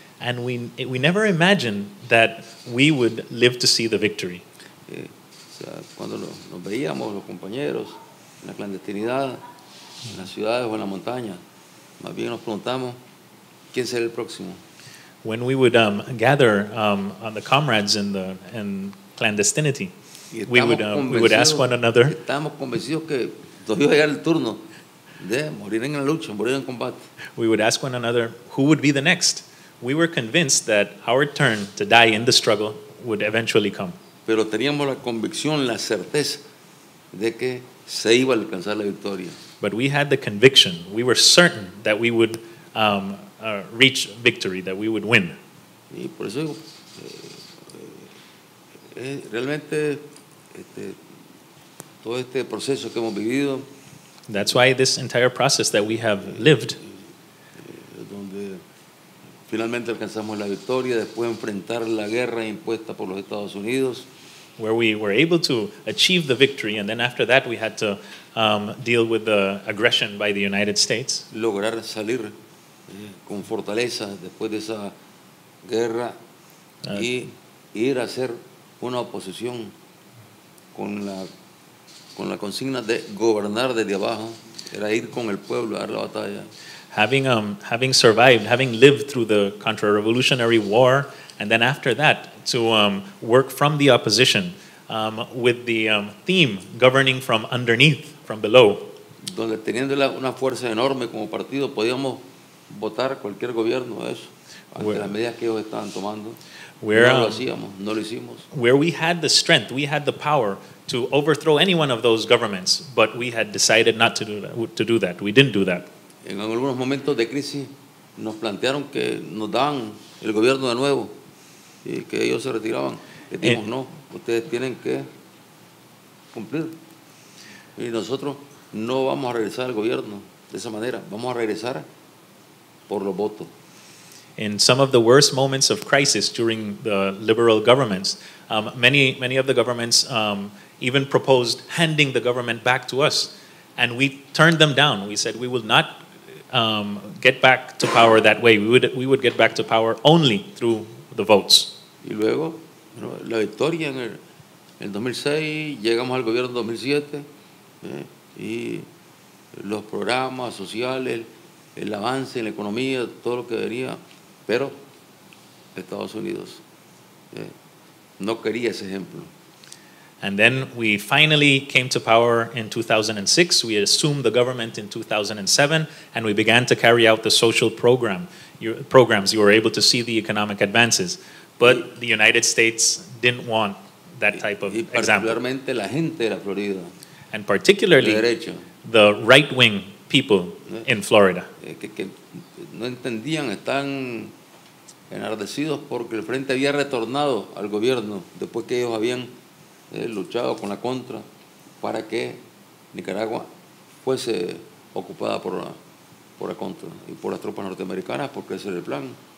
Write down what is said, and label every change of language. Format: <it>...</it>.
<en>And we never imagined that we would live to see the victory.</en> <es>Cuando nos veíamos los compañeros en la clandestinidad, en las ciudades o en la montaña, más bien nos preguntamos quién será el próximo.</es> <en>When we would gather on the comrades in clandestinity, we would ask one another.</en> <es>Estamos convencidos que nos iba a llegar el turno de morir en la lucha, morir en combate.</es> <en>We would ask one another who would be the next. We were convinced that our turn to die in the struggle would eventually come.</en> <es>Pero teníamos la convicción, la certeza de que se iba a alcanzar la victoria.</es> <en>But we had the conviction, we were certain that we would reach victory, that we would win.</en> <es>Y por eso digo, realmente todo este proceso que hemos vivido.</es> <en>That's why this entire process that we have lived.</en> <es>Donde finalmente alcanzamos la victoria, después enfrentar la guerra impuesta por los Estados Unidos.</es> <en>Where we were able to achieve the victory, and then after that we had to deal with the aggression by the United States.</en> <es>Lograr salir con fortaleza después de esa guerra y ir a hacer una oposición con la consigna de gobernar desde abajo, era ir con el pueblo a dar la batalla.</es> <en>Having survived, having lived through the Contra-Revolutionary War, and then after that, to work from the opposition with the theme governing from underneath, from below.</en> <es>Donde teniendo una fuerza enorme como partido, podíamos votar cualquier gobierno, eso, ante las medidas que ellos estaban tomando. No lo hicimos.</es> <en>Where we had the strength, we had the power to overthrow any one of those governments, but we had decided not to do that. We didn't do that.</en> <es>En algunos momentos de crisis, nos plantearon que nos daban el gobierno de nuevo. Y que ellos se retiraban. Y dijimos, no, ustedes tienen que cumplir. Y nosotros no vamos a regresar al gobierno de esa manera. Vamos a regresar por los votos.</es> <en>in some of the worst moments of crisis during the liberal governments, many of the governments even proposed handing the government back to us, and we turned them down. We said we will not get back to power that way. We would get back to power only through the votes.</en> <es>Y luego, bueno, la victoria en el 2006, llegamos al gobierno en 2007, y los programas sociales, el avance en la economía, todo lo que venía, pero Estados Unidos no quería ese ejemplo.</es> <en>And then we finally came to power in 2006. We assumed the government in 2007, and we began to carry out the social programs. You were able to see the economic advances. But the United States didn't want that type of example.</en> <es>Particularmente la gente de la Florida.</es> <en>And particularly the right-wing people in Florida.</en> <es>Que no entendían, están enardecidos porque el frente había retornado al gobierno después que ellos habían luchado con la contra para que Nicaragua fuese ocupada por la contra y por las tropas norteamericanas porque ese era el plan.</es>